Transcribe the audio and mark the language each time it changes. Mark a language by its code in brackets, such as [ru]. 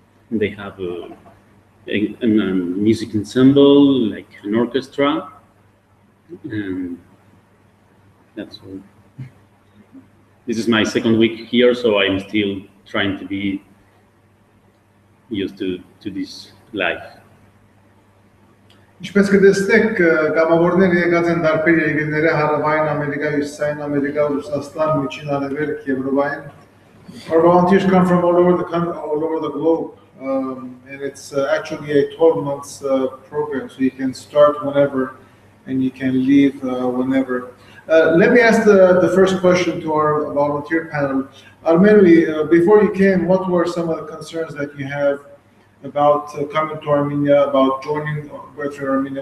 [en] They have a music ensemble, like an orchestra, and that's all. This is my second week here, so I'm still trying to be used to this life. [hy] Ինչպես կտեսնեք, կամավորները եկած են տարբեր երկրների, հարավային Ամերիկա, հյուսիսային Ամերիկա, Ռուսաստան, միջին Արևելք, Եվրոպային. [en] Our volunteers come from all over the country, all over the globe. And it's actually a 12-month program, so you can start whenever and you can leave whenever. Let me ask the first question to our volunteer panel. Armeli, before you came, what were some of the concerns that you have about coming to Armenia, about joining Greater Armenia?